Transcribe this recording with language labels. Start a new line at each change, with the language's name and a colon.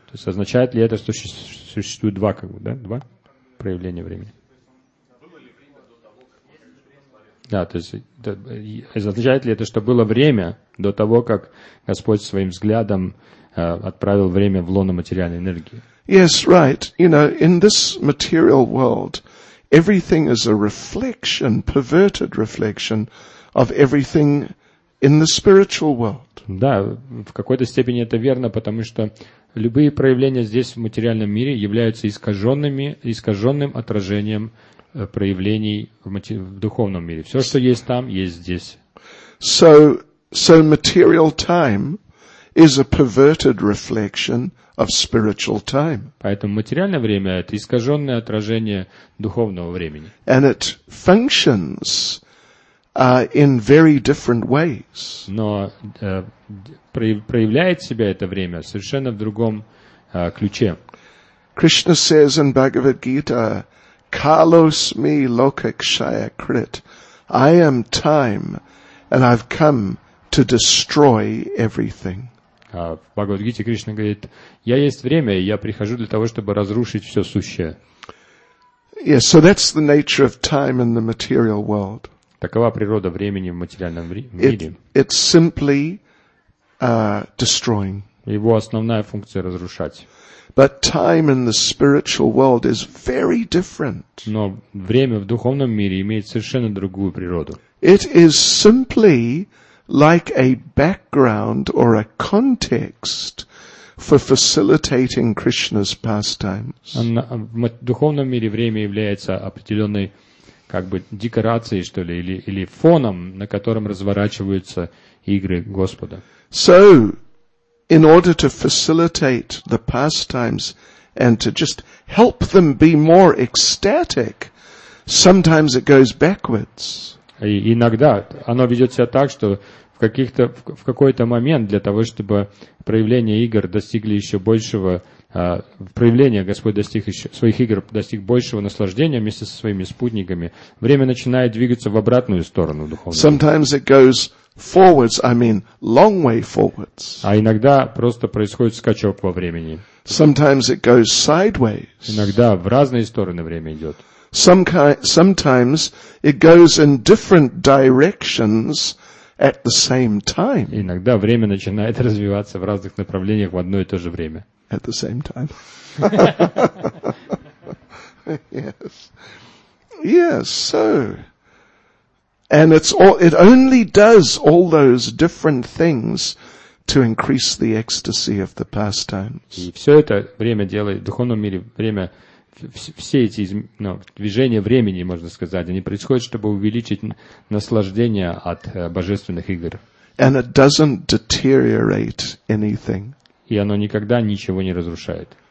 Russian: То есть означает ли это, что существует два, как бы, да? Два проявления времени? Да, то есть означает ли это, что было время до того, как Господь своим взглядом отправил время в лоно материальной энергии?
English: Yes, right. You know, in this material world, everything is a reflection, perverted reflection of everything in the spiritual world.
Russian: Да, в какой-то степени это верно, потому что любые проявления здесь в материальном мире являются искаженным отражением проявлений в духовном мире. Все, что есть там, есть здесь.
English: So material time is a perverted reflection of spiritual time.
Russian: Поэтому материальное время это искаженное отражение духовного времени.
English: And it functions in very different ways.
Russian: Но проявляет себя это время совершенно в другом ключе.
English: Krishna says in Bhagavad Gita.
Sanskrit: Kalosmi lokakshaya krit.
English: I am time, and I've come to destroy everything.
Russian: В Бхагавад-гите Кришна говорит: я есть время, и я прихожу для того, чтобы разрушить все сущее.
English: Yes, so that's the nature of time in the material world.
Russian: Такова природа времени в материальном мире.
English: It's simply destroying.
Russian: Его основная функция разрушать.
English: But time in the spiritual world is very different.
Russian: Но время в духовном мире имеет совершенно другую природу.
English: It is simply like a background or a context for facilitating Krishna's pastimes.
Russian: В духовном мире время является определенной как бы декорацией, что ли, или фоном, на котором разворачиваются игры Господа.
English: So in order to facilitate the pastimes and to just help them be more ecstatic, sometimes it goes backwards.
Russian: И иногда оно ведет себя так, что в какой-то момент для того, чтобы проявление игр достигли еще большего, проявление Господь достиг еще, своих игр достиг большего наслаждения вместе со своими спутниками, время начинает двигаться в обратную сторону духовную.
English: Sometimes it goes forwards, I mean, long way forwards.
Russian: А иногда просто происходит скачок во времени.
English: Sometimes it goes sideways.
Russian: Иногда в разные стороны время идет.
English: Sometimes it goes in different directions at the same time.
Russian: Иногда время начинает развиваться в разных направлениях в одно и то же время.
English: At the same time. Yes. Yes, so. And it only does all those different things to increase the ecstasy of the pastimes.
Russian: И все это время делает, в духовном мире время, все эти, ну, движения времени, можно сказать, они происходят, чтобы увеличить наслаждение от божественных игр.
English: And it doesn't deteriorate anything.
Russian: И оно никогда ничего не разрушает.